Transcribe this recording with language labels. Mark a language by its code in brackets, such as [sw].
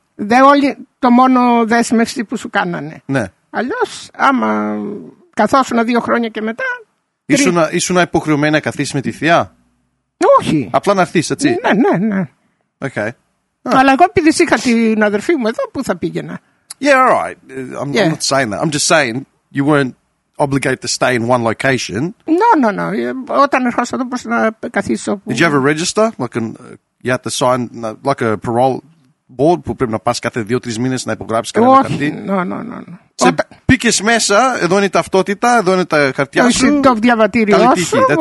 [el] Δεν όλοι, το μόνο δέσμευση που σου κάνανε. Ναι. Αλλιώς, άμα καθόσουν 2 χρόνια και μετά. Ήσουν υποχρεωμένη να καθίσει με τη θεία? Όχι. Απλά να έρθει, έτσι. Ναι, ναι, ναι. [en] Okay. Oh. [el] Αλλά εγώ επειδή είχα την αδερφή μου εδώ, πού θα πήγαινα? [en] Yeah, all right. I'm not saying that. I'm just saying you weren't obligated to stay in one location. No, no, no. [el] Όταν ερχόσα εδώ, πώς να καθίσω? [en] Did you ever register? Like you had to sign like a parole board [el] που πρέπει να πας κάθε 2-3 μήνες να υπογράψεις κάτι? Όχι, [en] no. [el] Πήκες μέσα, εδώ είναι η ταυτότητα, εδώ είναι τα χαρτιά σου. Το διαβατήριό σου.